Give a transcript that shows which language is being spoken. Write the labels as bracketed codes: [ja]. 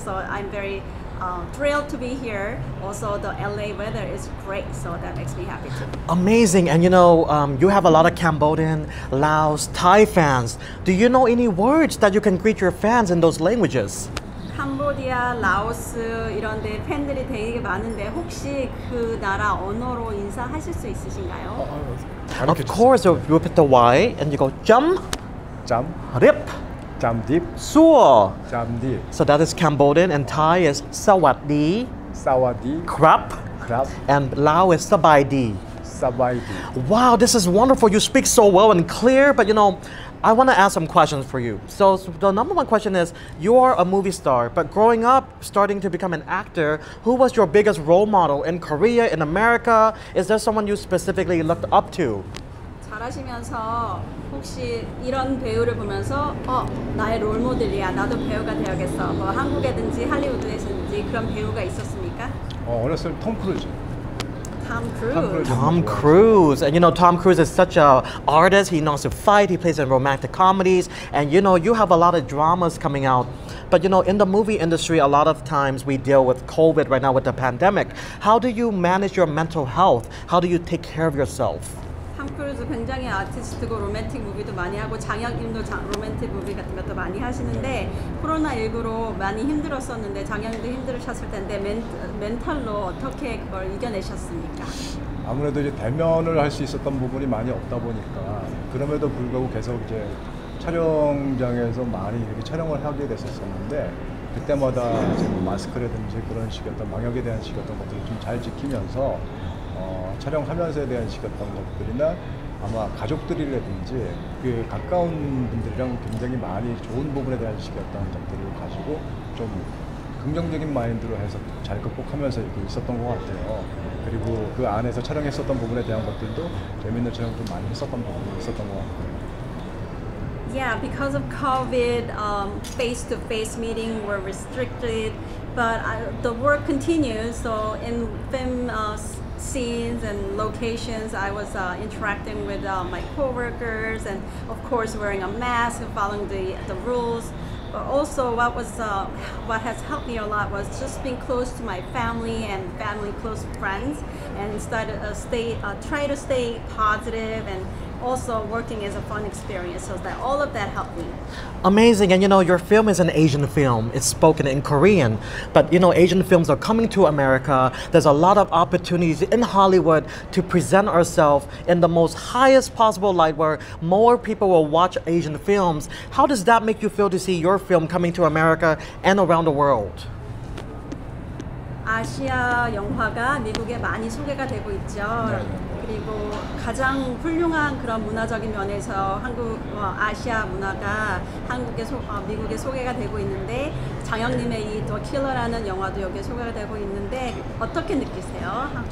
[en] So I'm very thrilled to be here. Also, the LA weather is great, so that makes me happy too. Amazing. And you know, you have a lot of Cambodian, Laos, Thai fans. Do you know any words that you can greet your fans in those languages? [ko] 캄보디아, 라오스 이런 데 팬들이 되게 많은데 혹시 그 나라 언어로 인사하실 수 있으신가요? [en] Of course, you put the Y and you go jam, [km] jam, rip, jam dip, suo, jam dip. [en] So that is Cambodian and Thai is sawadi, [th] sawadi, crap, crap, [en] and Lao is sabaidi, [lo] sabaidi. [en] Wow, this is wonderful. You speak so well and clear, but you know, I want to ask some questions for you. So the number one question is, you are a movie star, but growing up, starting to become an actor, who was your biggest role model in Korea, in America? Is there someone you specifically looked up to? [ko] 잘하시면서 혹시 이런 배우를 보면서 나의 롤 모델이야, 나도 배우가 되어야겠어. 뭐 한국에든지 할리우드에든지 그런 배우가 있었습니까? 어렸을 때 톰 크루즈. [en] Tom Cruise. And you know, Tom Cruise is such an artist. He knows to fight. He plays in romantic comedies. And you know, you have a lot of dramas coming out. But you know, in the movie industry, a lot of times we deal with COVID right now with the pandemic. How do you manage your mental health? How do you take care of yourself? [ko] Tom Cruise 굉장히 아티스트고 로맨틱 무비도 많이 하고 장혁님도 로맨틱 무비 같은 것도 많이 하시는데 코로나19로 많이 힘들었었는데 장혁님도 힘들으셨을 텐데 멘탈로 어떻게 그걸 이겨내셨습니까? 아무래도 이제 대면을 할 수 있었던 부분이 많이 없다 보니까 그럼에도 불구하고 계속 이제 촬영장에서 많이 이렇게 촬영을 하게 됐었는데 그때마다 이제 뭐 마스크라든지 그런 식의 어떤 방역에 대한 식의 어떤 것들을 좀 잘 지키면서 촬영하면서에 대한 시켰던 것들이나 아마 가족들이라든지 그 가까운 분들이랑 굉장히 많이 좋은 부분에 대한 시켰던 것들을 가지고 좀 긍정적인 마인드로 해서 잘 극복하면서 이렇게 있었던 것 같아요. 그리고 그 안에서 촬영했었던 부분에 대한 것들도 재밌는 촬영 좀 많이 했었던 부분이 있었던 것 같아요. [en] Yeah, because of COVID, face-to-face meeting were restricted, but the work continues. So in film scenes and locations, I was interacting with my coworkers, and of course wearing a mask and following the rules. But also, what has helped me a lot was just being close to my family and family close friends, and started try to stay positive and. Also, working is a fun experience, so that all of that helped me. Amazing, and you know, your film is an Asian film. It's spoken in Korean, but you know, Asian films are coming to America. There's a lot of opportunities in Hollywood to present ourselves in the most highest possible light where more people will watch Asian films. How does that make you feel to see your film coming to America and around the world? [ko] 아시아 영화가 미국에 많이 소개가 되고 있죠. 그리고 가장 훌륭한 그런 문화적인 면에서 한국 아시아 문화가 한국에 미국에 소개가 되고 있는데 장혁님의 이 더 킬러라는 영화도 여기에 소개가 되고 있는데 어떻게 느끼세요?